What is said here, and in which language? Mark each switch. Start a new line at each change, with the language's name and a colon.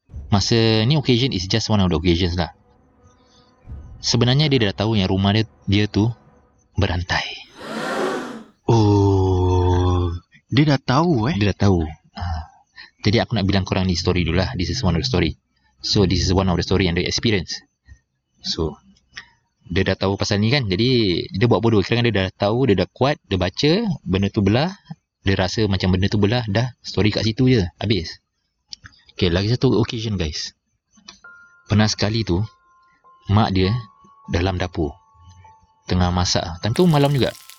Malay: Masa ni
English: occasion is just one of the occasions lah.
Malay: Sebenarnya dia dah tahu yang rumah dia tu berantai. Oh, dia dah tahu eh? Dia dah tahu. Jadi aku nak bilang korang ni story dulu lah.
English: This is one of the story. So this is one of the story and the experience.
Malay: So dia dah tahu pasal ni kan. Jadi dia buat bodoh. Kira kan dia dah tahu, dia dah kuat, dia baca benda tu belah, dia rasa macam benda tu belah. Dah, story kat situ je habis. Okay, lagi satu occasion guys. Pernah sekali tu mak dia dalam dapur tengah masak. Time tu malam juga.